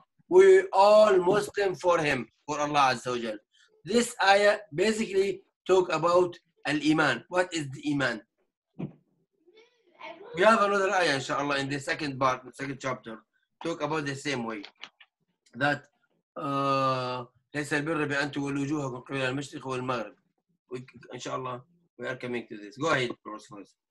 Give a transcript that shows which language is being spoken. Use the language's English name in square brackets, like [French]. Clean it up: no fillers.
[English] We all Muslim for him, for Allah Azza wa Jal. This ayah basically talk about al-Iman. What is the Iman? We have another ayah, inshallah, in the second part, the second chapter, talk about the same way. [Arabic] That ليس البر بأنتم والوجوهكم قبل المشرق والمغرب. [English] Inshallah, we are coming to this. Go ahead, Professor.